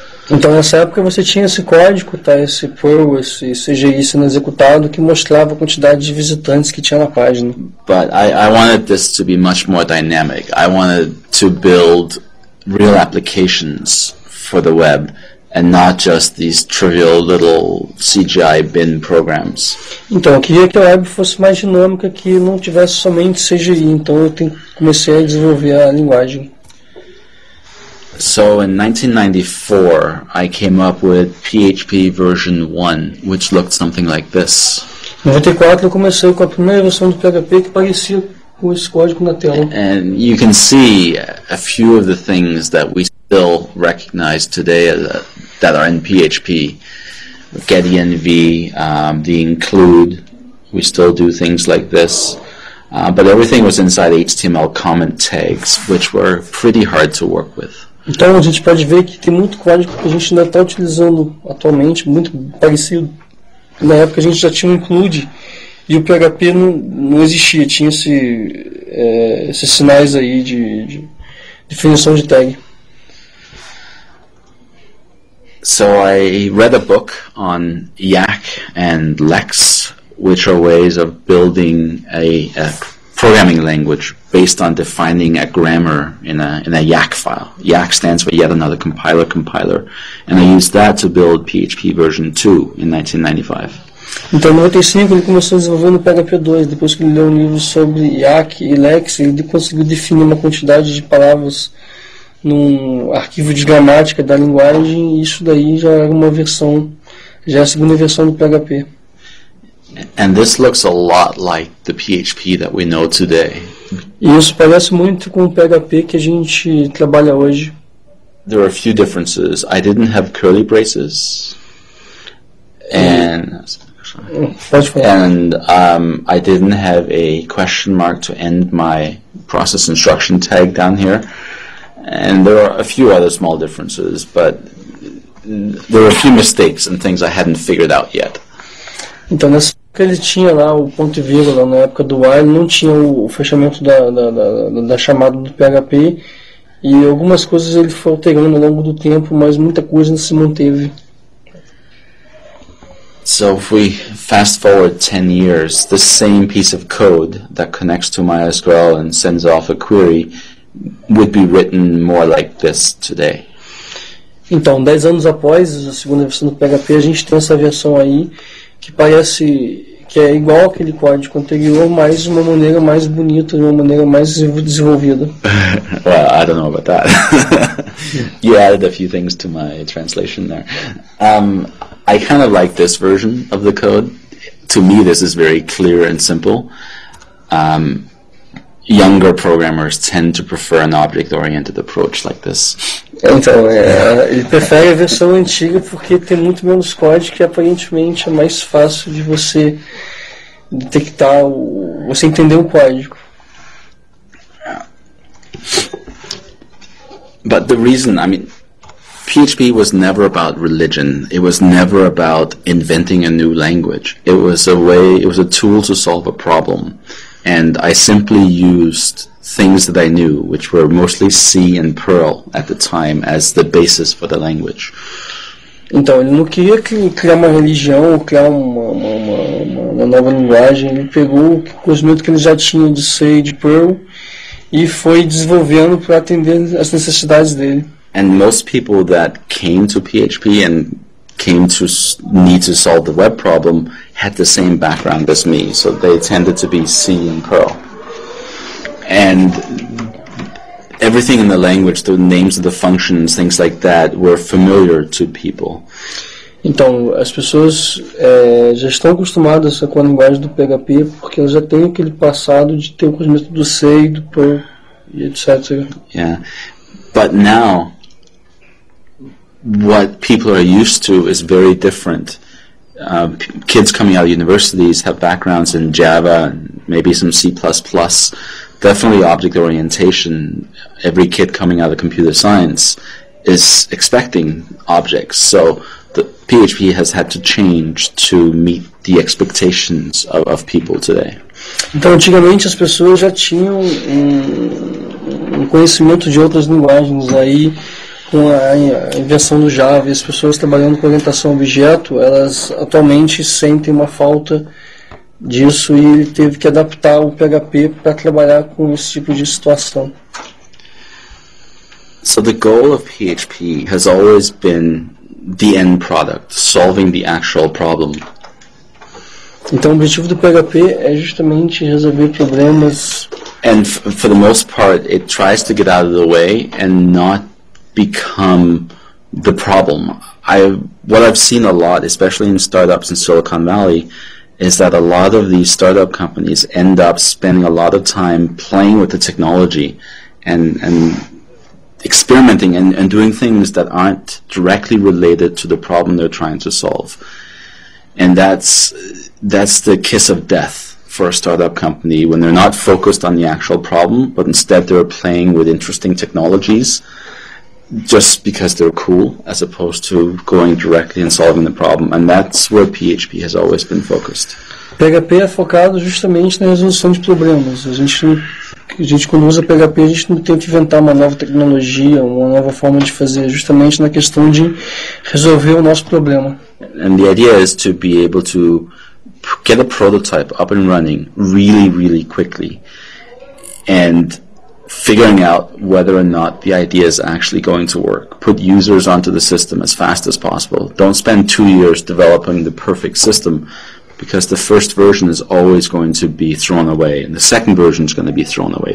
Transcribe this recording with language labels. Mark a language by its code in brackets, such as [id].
[pt] Então nessa época você tinha esse código, tá, esse Perl, esse CGI sendo executado, que mostrava a quantidade de visitantes que tinha na página. [en] But I wanted this to be much more dynamic. I wanted to build real applications for the web and not just these trivial little CGI bin programs. [pt] Então, eu queria que a web fosse mais dinâmica, que não tivesse somente CGI. Então, eu comecei a desenvolver a linguagem. [en] So, in 1994, I came up with PHP version 1, which looked something like this. [pt] Em 94, eu comecei com a primeira versão do PHP que parecia com esse código na tela. [en] And you can see a few of the things that we still recognize today as that are in PHP. Get env, the include, we still do things like this. But everything was inside HTML comment tags, which were pretty hard to work with. [pt] Então a gente pode ver que tem muito código que a gente ainda está utilizando atualmente, muito parecido. Na época a gente já tinha um include e o PHP não existia, tinha esses sinais aí de definição de tag. [en] So I read a book on Yak and Lex, which are ways of building a programming language based on defining a grammar in a Yak file. Yak stands for yet another compiler, and I used that to build PHP version 2 in 1995. [pt] Então, em 95, ele começou desenvolvendo PHP 2, depois que ele leu um livro sobre Yak e Lex, ele conseguiu definir uma quantidade de palavras num arquivo de gramática da linguagem, e isso daí já é uma versão, já é a segunda versão do PHP. [en] And this looks a lot like the PHP that we know today. [pt] Isso parece muito com o PHP que a gente trabalha hoje. [en] There are a few differences. I didn't have curly braces. And I didn't have a question mark to end my process instruction tag down here. And there are a few other small differences, but there were a few mistakes and things I hadn't figured out yet. [pt] Então, nessa época ele tinha lá o ponto e vírgula, na época do while, não tinha o fechamento da chamada do PHP, e algumas coisas ele foi alterando ao longo do tempo, mas muita coisa não se manteve. [en] So, if we fast forward 10 years, the same piece of code that connects to MySQL and sends off a query would be written more like this today. [pt] Então, 10 anos após a segunda versão do PHP, a gente tem essa versão aí que parece que é igual aquele código anterior, mas de uma maneira mais bonita, de uma maneira mais desenvolvida. [en] Well, I don't know about that. You added a few things to my translation there. I kind of like this version of the code. To me, this is very clear and simple. Younger programmers tend to prefer an object-oriented approach like this. [pt] Então, ele prefere a versão antiga porque tem muito menos código, que aparentemente é mais fácil de você detectar, você entender o código. [en] But the reason, I mean, PHP was never about religion. It was never about inventing a new language. It was a tool to solve a problem. And I simply used things that I knew, which were mostly C and Perl at the time, as the basis for the language. [pt] Então, ele não queria criar uma religião ou criar uma nova linguagem. Ele pegou o conhecimento que ele já tinha de C e de Perl e foi desenvolvendo para atender as necessidades dele. [en] And most people that came to PHP and came to need to solve the web problem had the same background as me, so they tended to be C and Perl. And everything in the language, the names of the functions, things like that, were familiar to people. [pt] Então, as pessoas já estão acostumadas com a linguagem do PHP porque elas já têm aquele passado de ter o conhecimento do C e do Perl, etc. [en] Yeah, but now what people are used to is very different. Kids coming out of universities have backgrounds in Java, maybe some C++, definitely object orientation. Every kid coming out of computer science is expecting objects. So the PHP has had to change to meet the expectations of people today. [pt] Então, antigamente as pessoas já tinham um conhecimento de outras linguagens. Aí, com a invenção do Java e as pessoas trabalhando com orientação a objeto, elas atualmente sentem uma falta disso e ele teve que adaptar o PHP para trabalhar com esse tipo de situação. [en] So the goal of PHP has always been the end product, solving the actual problem. [pt] Então o objetivo do PHP é justamente resolver problemas. [en] And for the most part, it tries to get out of the way and not become the problem. What I've seen a lot, especially in startups in Silicon Valley, is that a lot of these startup companies end up spending a lot of time playing with the technology and experimenting and doing things that aren't directly related to the problem they're trying to solve. And that's the kiss of death for a startup company, when they're not focused on the actual problem, but instead they're playing with interesting technologies just because they're cool, as opposed to going directly and solving the problem. And that's where PHP has always been focused. [pt] PHP é focado justamente na resolução de problemas. A gente quando usa PHP, a gente não tenta inventar uma nova tecnologia, uma nova forma de fazer, justamente na questão de resolver o nosso problema. [en] And the idea is to be able to get a prototype up and running really, really quickly. And figuring out whether or not the idea is actually going to work. Put users onto the system as fast as possible. Don't spend 2 years developing the perfect system, because the first version is always going to be thrown away, and the second version is going to be thrown away.